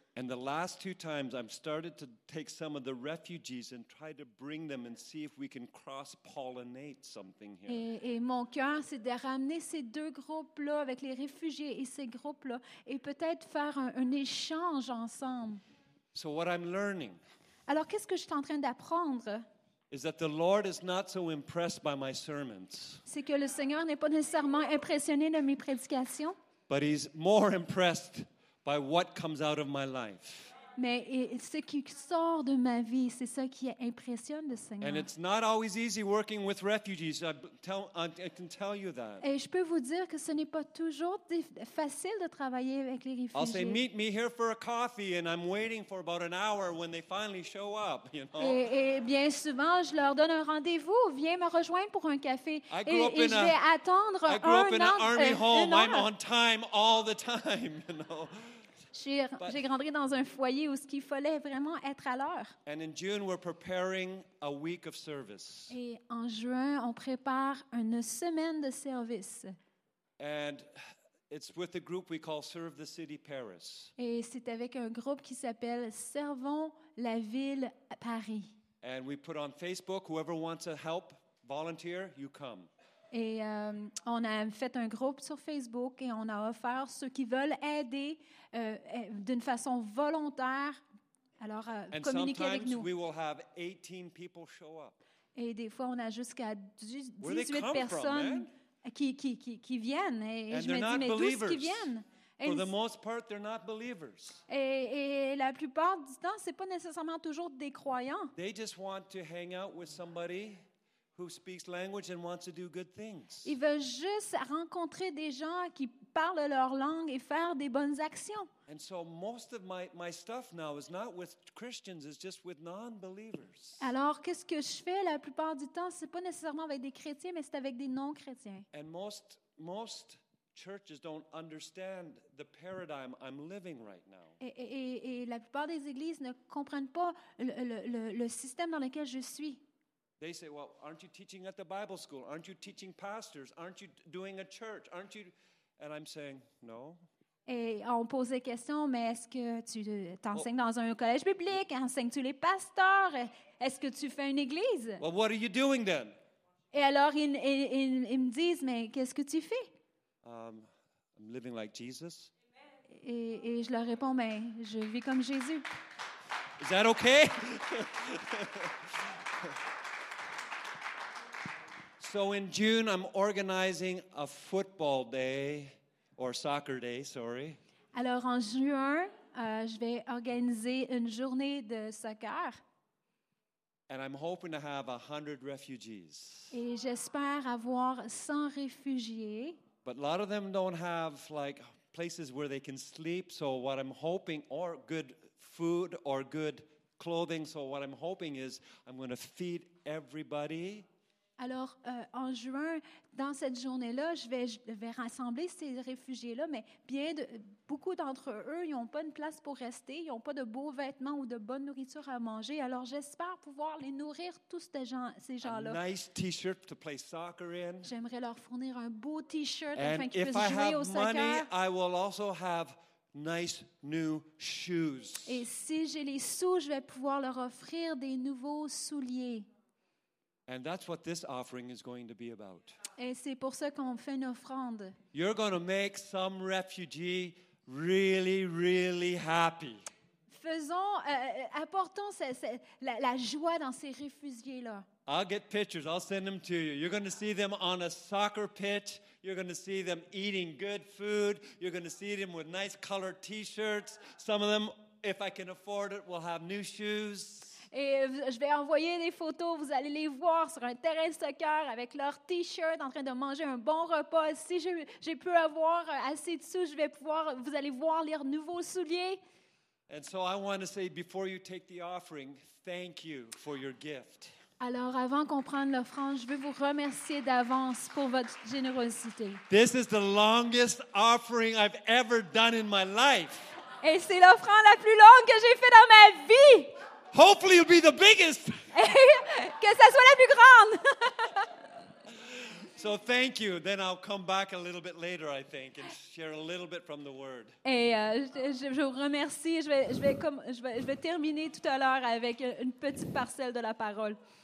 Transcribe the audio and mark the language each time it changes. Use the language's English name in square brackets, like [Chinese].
[English] And the last two times, I've started to take some of the refugees and try to bring them and see if we can cross-pollinate something here. [French] Et mon cœur, c'est de ramener ces deux groupes-là avec les réfugiés et ces groupes-là et peut-être faire un échange ensemble. [English] So what I'm learning. [French] Alors, qu'est-ce que je suis en train d'apprendre? [English] Is that the Lord is not so impressed by my sermons. [French] C'est que le Seigneur n'est pas nécessairement impressionné de mes prédications. [English] But he's more impressed by what comes out of my life. [French] Mais ce qui sort de ma vie, c'est ça qui impressionne le Seigneur. [English] And it's not always easy working with refugees. I can tell you that. [French] Et je peux vous dire que ce n'est pas toujours facile de travailler avec les réfugiés. [English] I'll say, meet me here for a coffee, and I'm waiting for about an hour when they finally show up. You know. [French] Et bien souvent, je leur donne un rendez-vous. Viens me rejoindre pour un café. Et je vais attendre un an. [English] I grew up in an army home. I'm on time all the time. You know. [French] J'ai grandi dans un foyer où il fallait vraiment être à l'heure. [English] And in June, we're preparing a week of service. [French] Et en juin, on prépare une semaine de service. [English] And it's with a group we call Serve the City Paris. [French] Et c'est avec un groupe qui s'appelle Servons la ville à Paris. [English] And we put on Facebook, whoever wants to help, volunteer, you come. [French] Et on a fait un groupe sur Facebook et on a offert ceux qui veulent aider d'une façon volontaire. Alors, communiquez avec nous. [English] We will have 18 people show up. [French] Et des fois, on a jusqu'à 18 personnes [English] from, [French] qui viennent. Et [English] and [French] je me dis, mais d'où est-ce qu'ils viennent? [English] For the most part, they're not believers. [French] Et la plupart du temps, ce n'est pas nécessairement toujours des croyants. [English] They just want to hang out with somebody who speaks language and wants to do good things. [French] Il veut juste rencontrer des gens qui parlent leur langue et faire des bonnes actions. [English] And so most of my stuff now is not with Christians, it's just with non-believers. [French] Alors qu'est-ce que je fais la plupart du temps, c'est pas nécessairement avec des chrétiens, mais c'est avec des non-chrétiens. [English] And most churches don't understand the paradigm I'm living right now. [French] Et la plupart des églises ne comprennent pas le système dans lequel je suis. [English] They say, well, aren't you teaching at the Bible school? Aren't you teaching pastors? Aren't you doing a church? Aren't you? And I'm saying, no. [French] Et on pose la question, mais est-ce que tu t'enseignes dans un collège biblique? Enseignes-tu les pasteurs? Est-ce que tu fais une église? [English] Well, what are you doing then? [French] Et alors ils me disent, mais qu'est-ce que tu fais? [English] I'm living like Jesus. [French] Et je leur réponds, mais je vis comme Jésus. [English] Is that okay? So in June, I'm organizing a football day or soccer day, sorry. [French] Alors en juin, je vais organiser une journée de soccer. [English] And I'm hoping to have 100 refugees. [French] Et j'espère avoir 100 réfugiés. [English] But a lot of them don't have like places where they can sleep, so what I'm hoping, or good food or good clothing, so what I'm hoping is I'm going to feed everybody. [French] Alors, en juin, dans cette journée-là, je vais rassembler ces réfugiés-là, mais beaucoup d'entre eux, ils n'ont pas une place pour rester, ils n'ont pas de beaux vêtements ou de bonne nourriture à manger. Alors, j'espère pouvoir les nourrir, tous ces gens-là. [English] A nice t-shirt to play soccer in. [French] J'aimerais leur fournir un beau t-shirt [English] and [French] afin qu'ils puissent jouer au soccer. [English] If I have money, I will also have nice new shoes. [French] Et si j'ai les sous, je vais pouvoir leur offrir des nouveaux souliers. [English] And that's what this offering is going to be about. [French] Et c'est pour ça qu'on fait une offrande. [English] You're going to make some refugee really, really happy. [French] Faisons, apportons la joie dans ces réfugiés-là. [English] I'll get pictures. I'll send them to you. You're going to see them on a soccer pitch. You're going to see them eating good food. You're going to see them with nice colored t-shirts. Some of them, if I can afford it, will have new shoes. [French] Et je vais envoyer des photos, vous allez les voir sur un terrain de soccer avec leur t-shirt en train de manger un bon repas. Si j'ai pu avoir assez de sous, vous allez voir leurs nouveaux souliers. [English] And so I want to say before you take the offering, thank you for your gift. [French] Alors avant qu'on prenne l'offrande, je veux vous remercier d'avance pour votre générosité. [English] This is the longest offering I've ever done in my life. [French] Et c'est l'offrande la plus longue que j'ai faite dans ma vie. [English] Hopefully it'll be the biggest. [French] Que ça soit la plus grande. [English] So thank you. Then I'll come back a little bit later, I think, and share a little bit from the Word. [French] Et je vous remercie. Je vais terminer tout à l'heure avec une petite parcelle de la parole.